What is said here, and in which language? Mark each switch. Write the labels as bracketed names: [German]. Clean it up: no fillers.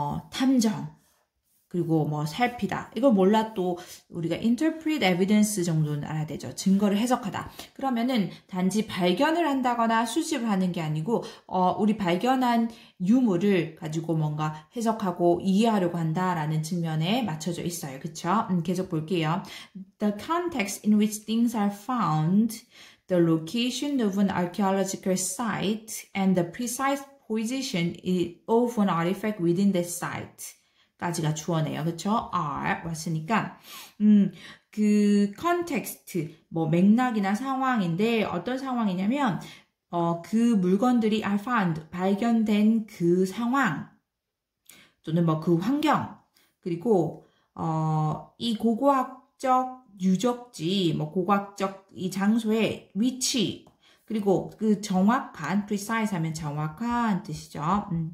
[Korean] 탐정, 그리고 뭐 살피다. 이걸 몰라 또 우리가 [English] interpret evidence [Korean] 정도는 알아야 되죠. 증거를 해석하다. 그러면은 단지 발견을 한다거나 수집을 하는 게 아니고, 우리 발견한 유물을 가지고 뭔가 해석하고 이해하려고 한다라는 측면에 맞춰져 있어요. 그쵸? 계속 볼게요. [English] The context in which things are found, the location of an archaeological site, and the precise position of an artifact within the site. [Korean] 까지가 주어네요. 그쵸? are 왔으니까 그 컨텍스트 뭐 맥락이나 상황인데 어떤 상황이냐면 그 물건들이 [English] are found [Korean] 발견된 그 상황 또는 뭐그 환경 그리고 이 고고학적 유적지 뭐 고고학적 이 장소의 위치 그리고 그 정확한 precise 하면 정확한 뜻이죠.